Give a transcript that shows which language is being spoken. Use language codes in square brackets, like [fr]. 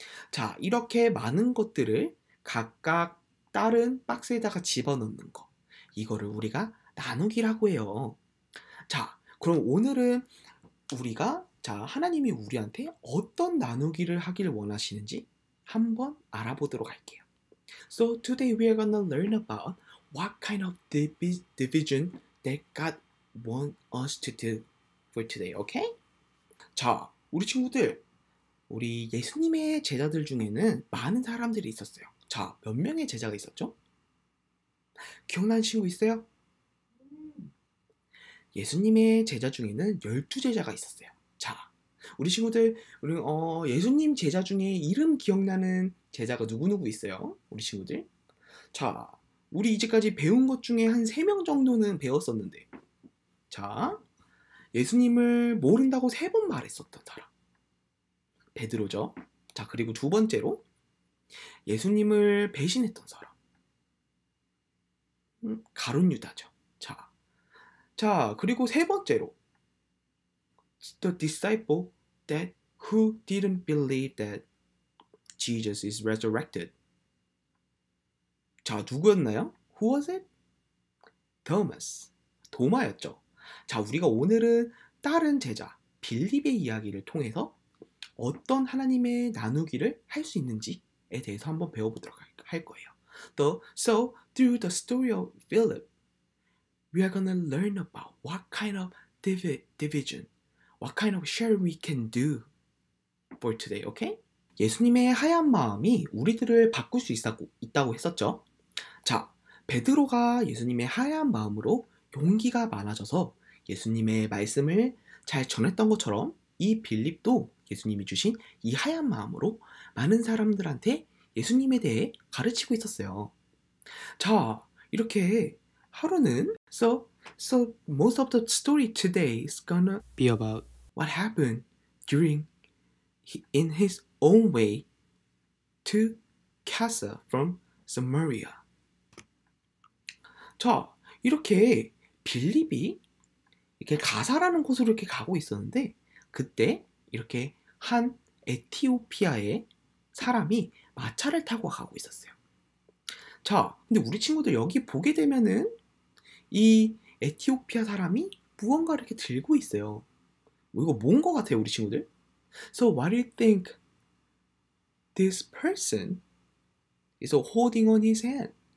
[ko] 자, 이렇게 많은 것들을 각각 다른 박스에다가 집어넣는 거. 이거를 우리가 나누기라고 해요. 자, 그럼 오늘은 우리가, 자, 하나님이 우리한테 어떤 나누기를 하길 원하시는지 한번 알아보도록 할게요. [en] So today we are gonna learn about what kind of division that God want us to do for today, okay? [ko] 자, 우리 친구들, 우리 예수님의 제자들 중에는 많은 사람들이 있었어요. 자, 몇 명의 제자가 있었죠? 기억나는 친구 있어요? 예수님의 제자 중에는 열두 제자가 있었어요. 자, 우리 친구들, 우리 예수님 제자 중에 이름 기억나는 제자가 누구누구 있어요? 우리 친구들? 자, 우리 이제까지 배운 것 중에 한 세 명 정도는 배웠었는데. 자, 예수님을 모른다고 세 번 말했었던 사람. 베드로죠. 자, 그리고 두 번째로 예수님을 배신했던 사람. 가룟 유다죠. 자. [en] 자, [ko] 그리고 세 번째로 [en] the disciple that who didn't believe that Jesus is resurrected. [ko] 자, 누구였나요? [en] Who was it? [ko] Thomas. 도마였죠. 자, 우리가 오늘은 다른 제자, 빌립의 이야기를 통해서 어떤 하나님의 나누기를 할 수 있는지에 대해서 한번 배워보도록 할 거예요. [en] So, through the story of Philip, we are gonna learn about what kind of division, what kind of share we can do for today, okay? [ko] 예수님의 하얀 마음이 우리들을 바꿀 수 있다고 했었죠. 자, 베드로가 예수님의 하얀 마음으로 용기가 많아져서 예수님의 말씀을 잘 전했던 것처럼 이 빌립도 예수님이 주신 이 하얀 마음으로 많은 사람들한테 예수님에 대해 가르치고 있었어요. [en] 자, [ko] 이렇게 하루는 [en] So most of the story today is gonna be about what happened during in his own way to Casa from Samaria. [ko] 자, 이렇게 빌립이 이렇게 가사라는 곳으로 이렇게 가고 있었는데 그때 이렇게 한 에티오피아의 사람이 마차를 타고 가고 있었어요. 자, 근데 우리 친구들 여기 보게 되면은 이 에티오피아 사람이 무언가 이렇게 들고 있어요. 이거 뭔 것 같아요, 우리 친구들? [en] So what do you think this person is holding on his hand?